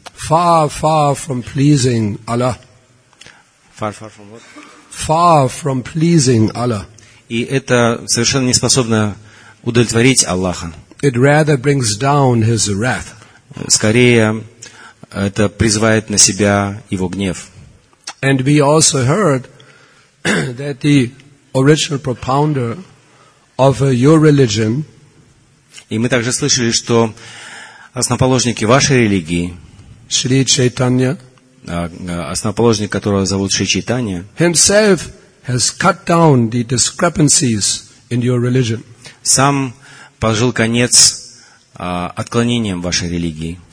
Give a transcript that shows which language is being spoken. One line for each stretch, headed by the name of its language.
English: Far, far from pleasing Allah. Far, far from what? Far from pleasing Allah.
Russian: И это совершенно не способно удовлетворить Аллаха.
English: It rather brings down his wrath.
Russian: Скорее, это призывает на себя его гнев.
English: And we also heard that the original propounder of your religion.
Russian: И мы также слышали, что основоположники вашей религии. Шри Чайтанья. Основоположник, которого зовут Шри Чайтанья.
English: Himself has cut down the discrepancies in your religion.
Russian: Сам положил конец отклонениям вашей религии.